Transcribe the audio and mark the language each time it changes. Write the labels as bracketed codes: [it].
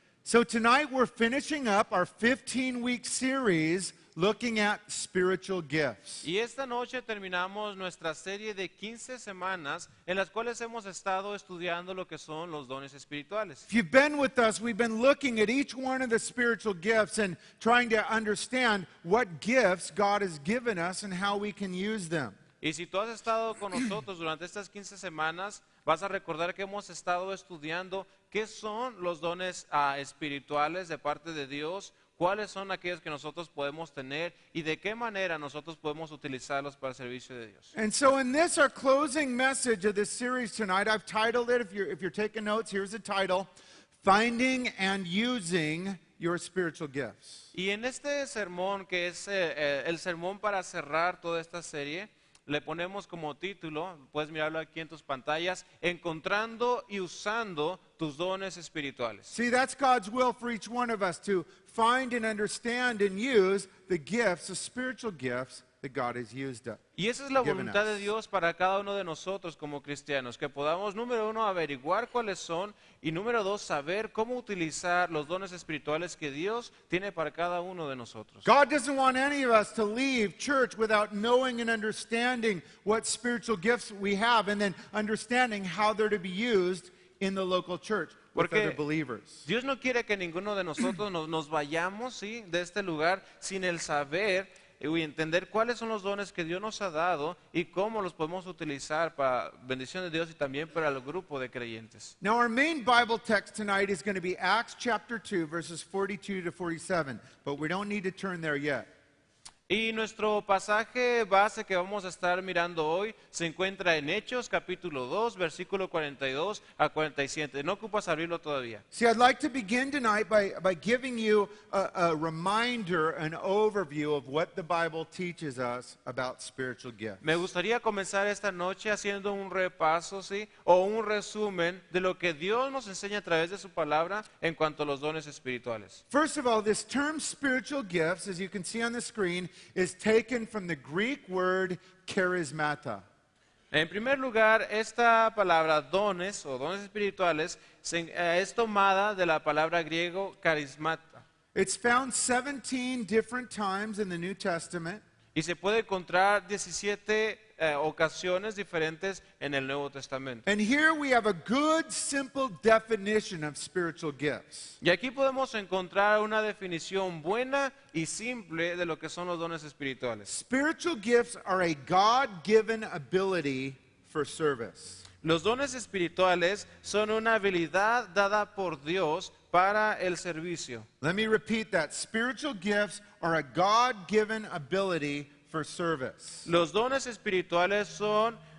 [en] So tonight we're finishing up our 15-week series looking at spiritual gifts. [es] Y esta noche terminamos nuestra serie de 15 semanas en las cuales hemos estado estudiando lo que son los dones espirituales. [en] If you've been with us, we've been looking at each one of the spiritual gifts and trying to understand what gifts God has given us and how we can use them. [es] Y si tú has estado con nosotros durante estas 15 semanas, vas a recordar que hemos estado estudiando qué son los dones espirituales de parte de Dios, cuáles son aquellos que nosotros podemos tener y de qué manera nosotros podemos utilizarlos para el servicio de Dios. [en] And so in this, our closing message of this series tonight, I've titled it, if you're taking notes, here's the title, Finding and Using Your Spiritual Gifts. [es] Y en este sermón, que es el sermón para cerrar toda esta serie, le ponemos como título, puedes mirarlo aquí en tus pantallas, encontrando y usando tus dones espirituales. [en] See, that's God's will for each one of us to find and understand and use the gifts, the spiritual gifts that God has used us. [es] Y esa es la voluntad de Dios para cada uno de nosotros como cristianos, que podamos, número uno, averiguar cuáles son y número dos, saber cómo utilizar los dones espirituales que Dios tiene para cada uno de nosotros. [en] God doesn't want any of us to leave church without knowing and understanding what spiritual gifts we have and then understanding how they're to be used in the local church. [es] Porque [en] other believers. [es] Dios no quiere que ninguno de nosotros nos vayamos, ¿sí?, de este lugar sin el saber y entender cuáles son los dones que Dios nos ha dado y cómo los podemos utilizar para bendición de Dios y también para el grupo de creyentes. [en] Now our main Bible text tonight is going to be Acts chapter 2 verses 42 to 47, but we don't need to turn there yet. [es] Y nuestro pasaje base que vamos a estar mirando hoy se encuentra en Hechos capítulo 2 versículo 42 a 47. No ocupas abrirlo todavía. [en] See, I'd like to begin tonight by giving you a reminder, an overview of what the Bible teaches us about spiritual gifts. [es] Me gustaría comenzar esta noche haciendo un repaso, sí, o un resumen de lo que Dios nos enseña a través de su palabra en cuanto a los dones espirituales. [en] First of all, this term spiritual gifts, as you can see on the screen, is taken from the Greek word charismata. [es] En primer lugar, esta palabra dones o dones espirituales es tomada de la palabra griego charismata. [en] It's found 17 different times in the New Testament. [es] Y se puede encontrar 17 ocasiones diferentes en el Nuevo Testamento. [en] And here we have a good simple definition of spiritual gifts. [es] Y aquí podemos encontrar una definición buena y simple de lo que son los dones espirituales. [en] Spiritual gifts are a God-given ability for service. [es] Los dones espirituales son una habilidad dada por Dios para el servicio. [en] Let me repeat that. Spiritual gifts are a God-given ability for service. [es] Los dones espirituales son